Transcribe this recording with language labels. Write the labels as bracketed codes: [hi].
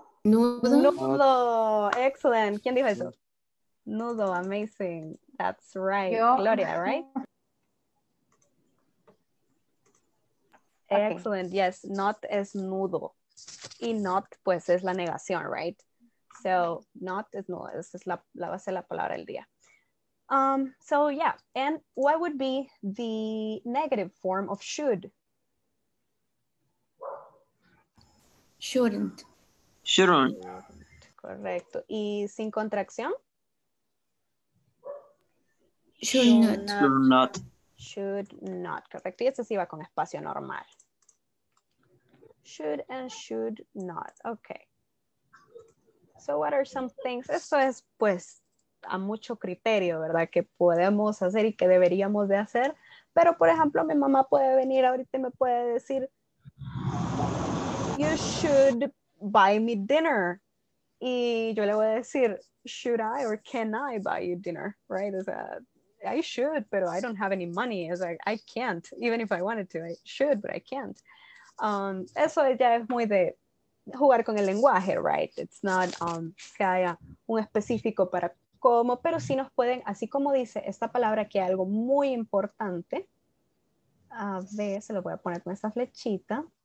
[en] Nudo. Excellent. [es] ¿Quién dijo eso? [en] Nudo, amazing. That's right. Yo. Gloria, right? Okay. Excellent. Yes, [es] not es nudo. Y not, pues, es la negación, right? [en] So, not is nudo. [es] Esa es la base de la palabra del día. [en] So, yeah. And what would be the negative form of should? Shouldn't. [es] Correcto. ¿Y sin contracción? [en] Should not. [es] Correcto. Y este sí va con espacio normal. [en] Should and should not. Okay. So what are some things? [es] Esto es, pues, a mucho criterio, ¿verdad? Que podemos hacer y que deberíamos de hacer. Pero, por ejemplo, mi mamá puede venir ahorita y me puede decir, [en] you should buy me dinner. [es] Y yo le voy a decir, [en] should I or can I buy you dinner? Right? [es] O sea, [en] I should, [es] pero [en] I don't have any money. It's like, I can't, even if I wanted to. I should, but I can't. [es] Eso ya es muy de jugar con el lenguaje, right? [en] It's not [es] que haya un específico para cómo, pero sí nos pueden, así como dice esta palabra, que es algo muy importante. A ver, se lo voy a poner con esta flechita.